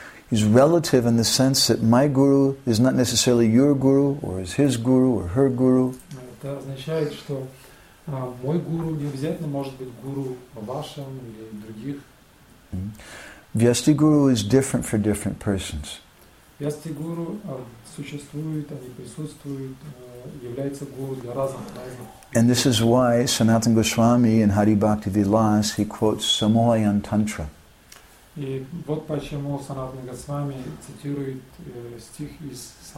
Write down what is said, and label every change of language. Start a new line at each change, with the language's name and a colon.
English: Is relative in the sense that my guru is not necessarily your guru or is his guru or her guru.
Russian: Это означает, что мой гуру не обязательно может быть гуру вашим или других.
English: Vyasti guru is different for different persons.
Russian: Vyasti guru существует, они присутствуют, является гуру для разных.
English: And this is why Sanatana Goswami in Hari Bhakti Vilas he quotes Samohayan Tantra.
Russian: И вот почему Санатана Госвами цитирует стих из